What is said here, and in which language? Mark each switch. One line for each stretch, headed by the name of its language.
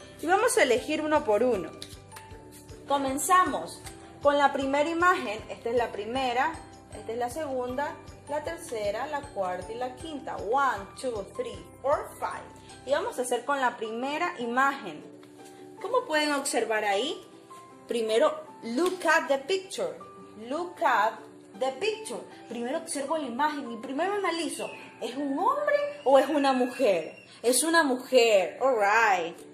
Spanish: Y vamos a elegir uno por uno. Comenzamos con la primera imagen. Esta es la primera, esta es la segunda, la tercera, la cuarta y la quinta. 1, 2, 3, 4, 5. Y vamos a hacer con la primera imagen. ¿Cómo pueden observar ahí? Primero,
English: look at the picture. Look at the picture.
Spanish: Primero observo la imagen y primero analizo. ¿Es un hombre o es una mujer? Es una mujer.
English: All right.